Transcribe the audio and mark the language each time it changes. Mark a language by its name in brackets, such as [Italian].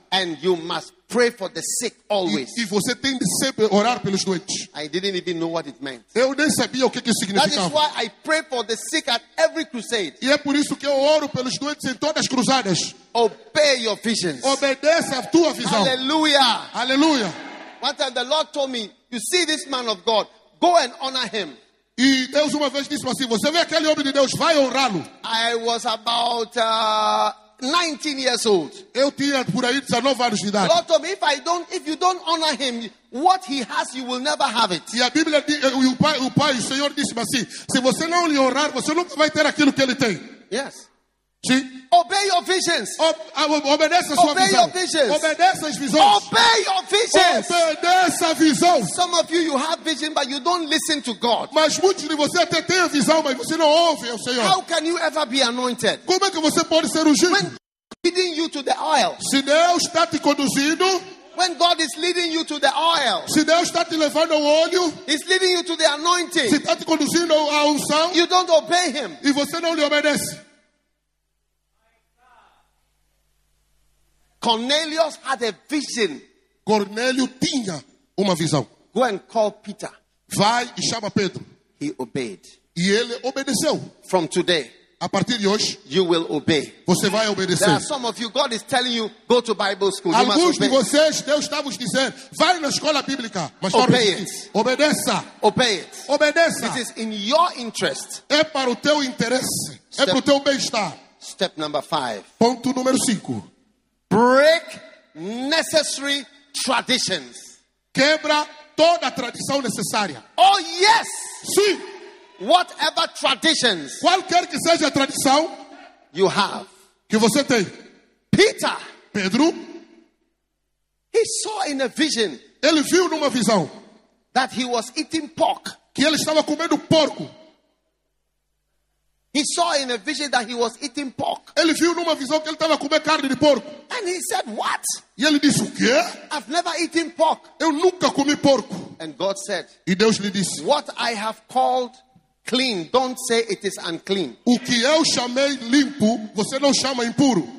[English] And you must pray for the sick always. [Portuguese] E você tem de sempre orar pelos doentes. [English] I didn't even know what it meant. [Portuguese] Eu nem sabia o que significava. [English] That is why I pray for the sick at every crusade. [Portuguese] E é por isso que eu oro pelos doentes em todas as cruzadas. [English] Obey your visions. [Portuguese] Obedeça a tua visão. Aleluia. Aleluia. [English] One time the Lord told me, you see this man of God, go and honor him. [Portuguese] E Deus uma vez disse assim, você vê aquele homem de Deus, vai honrá-lo. [English] I was about 19 years old. [Portuguese] Eu tinha por aí 19 anos de idade. [English] The Lord told me, if you don't honor him, what he has, you will never have it. [Portuguese] E a Bíblia diz, o pai, o Senhor disse assim, se você não lhe honrar, você nunca vai ter aquilo que ele tem. [English] Yes. [Portuguese] Sim. [English] Obey your visions. [Portuguese] Obedeça a sua [English] obey [Portuguese] visão. [English] Your visions. [Portuguese] Obedeça as visões. [English] Obey your visions. [Portuguese] Obedeça a visão. [English] Some of you have vision but you don't listen to God. [Portuguese] Mas muitos de vocês até têm a visão, mas você não ouve ao Senhor. [English] How can you ever be anointed? [Portuguese] Como é que você pode ser ungido? [English] When God is leading you to the oil. [Portuguese] Se Deus está te conduzindo. [English] When God is leading you to the oil. [Portuguese] Se Deus está te levando ao óleo. [English] He's leading you to the anointing. [Portuguese] Se está te conduzindo à unção. [English] You don't obey him. [Portuguese] E você não lhe obedece. [English] Cornelius had a vision. [Portuguese] Cornélio tinha uma visão. [English] Go and call Peter. [Portuguese] Vai e chama Pedro. [English] He obeyed. [Portuguese] E ele obedeceu. [English] From today. [Portuguese] A partir de hoje. [English] You will obey. [Portuguese] Você vai obedecer. [English] There are some of you, God is telling you, go to Bible school. [Portuguese] Alguns [English] you must obey. [Portuguese] De vocês, Deus está vos dizendo, vai na escola bíblica. Mas [English] obey it. [Portuguese] Obedeça. [English] Obey it. [Portuguese] Obedeça. [English] It is in your interest. [Portuguese] É para o teu interesse. Step, é para o teu bem-estar. [English] Step number five. [Portuguese] Ponto número 5. [English] Break necessary traditions. [Portuguese] Quebra toda a tradição necessária. [English] Oh yes. [Portuguese] Sim. [English] Whatever traditions. [Portuguese] Qualquer que seja a tradição. [English] You have. [Portuguese] Que você tem. [English] Peter. [Portuguese] Pedro. [English] He saw in a vision. [Portuguese] Ele viu numa visão. [English] That he was eating pork. [Portuguese] Que ele estava comendo porco. [English] He saw in a vision that he was eating pork. [Portuguese] Ele viu numa visão que ele estava comendo carne de porco. [English] And he said, "What?" [Portuguese] E ele disse, o quê? [English] I've never eaten pork. [Portuguese] Eu nunca comi porco. [English] And God said, [Portuguese] e Deus lhe disse, [English] "What I have called clean, don't say it is unclean." [Portuguese] O que eu chamei limpo, você não chama impuro.